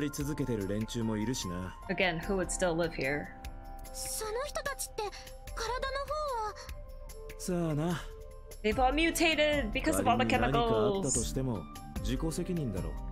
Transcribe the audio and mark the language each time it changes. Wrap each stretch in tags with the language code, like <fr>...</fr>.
<ja>川崎地区へと至る全ての道路を警官が見張ってるわけじゃない。抜け道ならいくらでもあるし、対岸から船で上陸することも可能だ。避難勧告を無視してここに居座り続けてる連中もいるしな。</ja> <en>Again, who would still live here?</en> <ja>その人たちって体の方は？さあな。</ja> <en>They've all mutated because of all the chemicals.</en> <ja>何かあったとしても自己責任だろ。</ja>